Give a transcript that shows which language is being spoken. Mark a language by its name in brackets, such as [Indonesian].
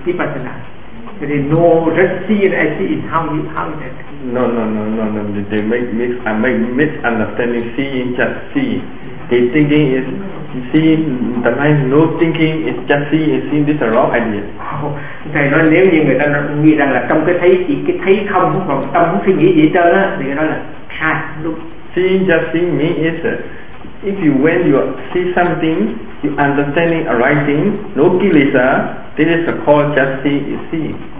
[English] They know, just see it as it is, how is it? No. They make misunderstanding, seeing, just seeing. They thinking is seeing, the mind no thinking, is just seeing, this is a wrong idea. [Vietnamese] Thầy nói nếu như người ta nghĩ rằng là trong cái thấy không, còn tâm không suy nghĩ gì hết trơn á, thì người ta nói là khác, look. [English] Seeing, just seeing means is, if you when you see something, you understanding a right thing, no kilesa, this is called just seeing, you see.